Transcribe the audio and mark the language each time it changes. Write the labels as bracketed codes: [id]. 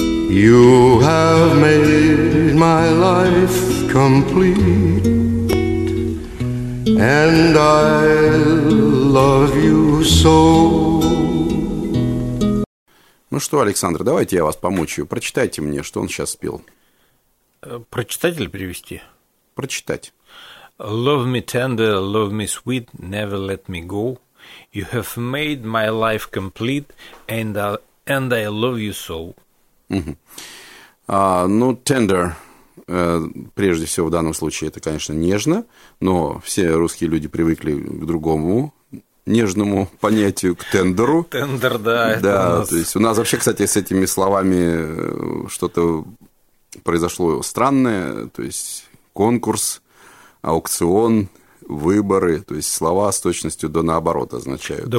[en] You have made my life complete, and I love you so. [ru] Ну что, Александр, давайте я вас помучаю. Прочитайте мне, что он сейчас спел. Прочитать или перевести? Прочитать. [en] Love me tender, love me sweet, never let me go. You have made my life complete, and I love you so. [ru] Ну, tender, прежде всего, в данном случае, это, конечно, нежно, но все русские люди привыкли к другому нежному понятию, к тендеру. Тендер, да. Да, то есть у нас вообще, кстати, с этими словами что-то произошло странное, то есть конкурс, аукцион, выборы, то есть слова с точностью до наоборот означают.